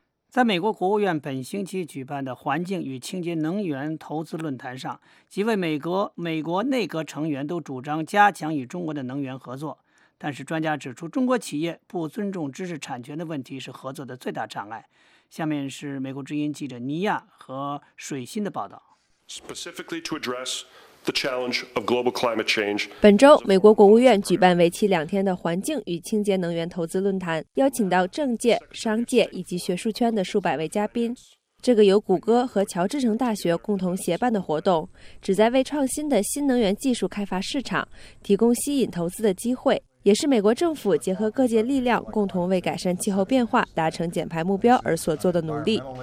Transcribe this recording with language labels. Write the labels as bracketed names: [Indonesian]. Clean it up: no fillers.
[Chinese] 在美国国务院本星期举办的环境与清洁能源投资论坛上，几位美国内阁成员都主张加强与中国的能源合作。但是专家指出，中国企业不尊重知识产权的问题是合作的最大障碍。下面是美国之音记者尼亚和水新的报道。 [English] Specifically to address the challenge of global climate change. [Chinese] 本周美国国务院举办为期两天的环境与清洁能源投资论坛，邀请到政界、商界以及学术圈的数百位嘉宾。这个由谷歌和乔治城大学共同协办的活动，旨在为创新的新能源技术开发市场提供吸引投资的机会，也是美国政府结合各界力量共同为改善气候变化达成减排目标而所做的努力。